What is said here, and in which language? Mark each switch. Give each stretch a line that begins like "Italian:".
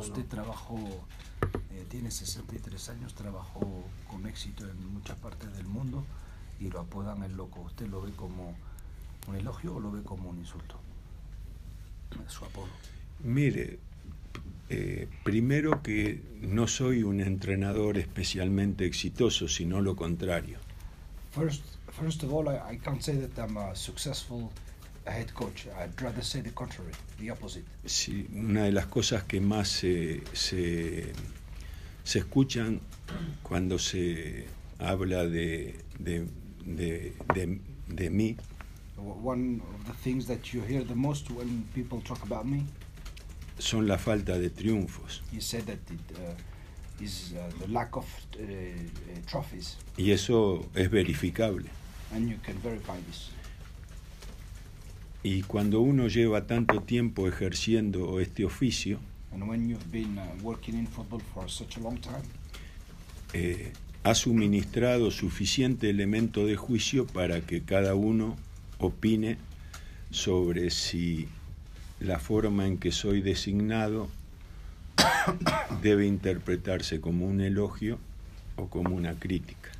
Spanish: Usted trabajó, tiene 63 años, trabajó con éxito en muchas partes del mundo y lo apodan El Loco. ¿Usted lo ve como un elogio o lo ve como un insulto? Su apodo. Mire, primero que no soy un entrenador especialmente exitoso, sino lo contrario.
English: First of all, I can't say that I'm a successful head coach. I'd rather say the contrary, the opposite.
Spanish: Sí, una de las cosas que más se escuchan cuando se habla de mí.
English: One of the things that you hear the most when people talk about me.
Spanish: Son la falta de triunfos.
English: You said that it is the lack of trophies.
Spanish: Y eso es verificable.
English: And you can verify this.
Spanish: Y cuando uno lleva tanto tiempo ejerciendo este oficio,
English: and when you've been working in football for such a long time,
Spanish: ha suministrado suficiente elemento de juicio para que cada uno opine sobre si la forma en que soy designado debe interpretarse como un elogio o como una crítica.